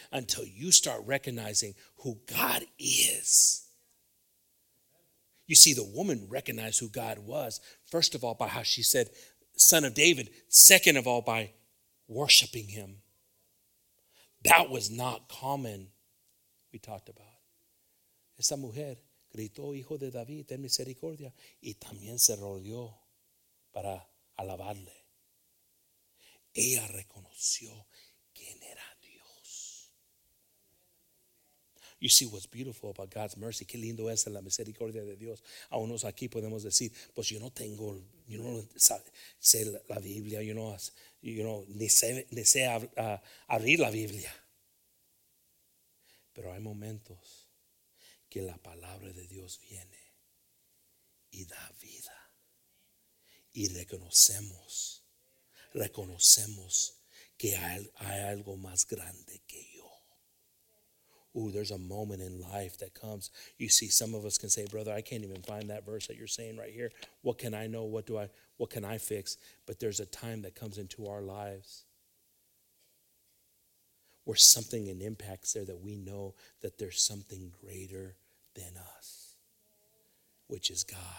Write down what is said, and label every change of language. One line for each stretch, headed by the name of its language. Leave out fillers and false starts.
English: Until you start recognizing who God is. You see, the woman recognized who God was, first of all, by how she said, Son of David, second of all, by worshiping him. That was not common, we talked about.
Spanish: Esa mujer gritó, Hijo de David, ten misericordia, y también se rodeó para alabarle. Ella reconoció quién era Dios.
English: You see what's beautiful about God's mercy.
Spanish: Qué lindo es la misericordia de Dios. A unos aquí podemos decir, pues yo no tengo, yo no sé la Biblia, ni sé abrir la Biblia. Pero hay momentos que la palabra de Dios viene y da vida. Y reconocemos que hay algo más grande que yo.
English: Ooh, there's a moment in life that comes. You see, some of us can say, brother, I can't even find that verse that you're saying right here. What can I know? What can I fix? But there's a time that comes into our lives where something impacts there that we know that there's something greater than us, which is God.